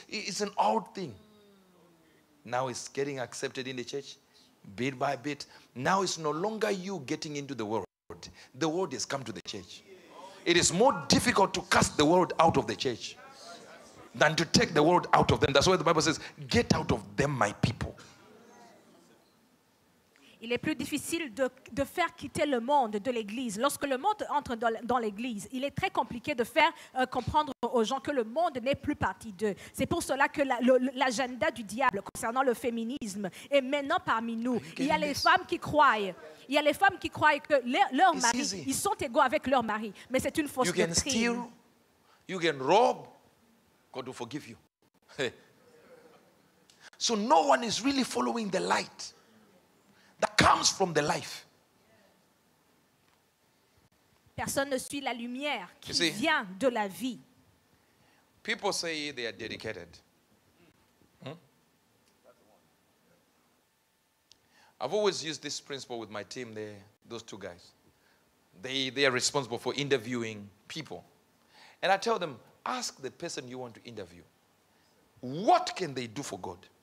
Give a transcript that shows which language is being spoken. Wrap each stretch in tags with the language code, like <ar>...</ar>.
<en>It's an old thing. Now it's getting accepted in the church. Bit by bit. Now it's no longer you getting into the world. The world has come to the church. It is more difficult to cast the world out of the church than to take the world out of them. That's why the Bible says, get out of them, my people.</en> <fr>Il est plus difficile de faire quitter le monde de l'église. Lorsque le monde entre dans l'église, il est très compliqué de faire comprendre aux gens que le monde n'est plus parti d'eux. C'est pour cela que l'agenda du diable concernant le féminisme est maintenant parmi nous. Il y a les femmes qui croient. Il y a les femmes qui croient que leur mari, ils sont égaux avec leur mari. Mais c'est une fausse doctrine.</fr> <en>You can steal, you can rob, God will forgive you. So no one is really following the light that comes from the life.</en> <fr>Personne ne suit la lumière qui vient de la vie.</fr> <en>People say they are dedicated. I've always used this principle with my team there, those two guys. They are responsible for interviewing people. And I tell them, ask the person you want to interview, what can they do for God?</en>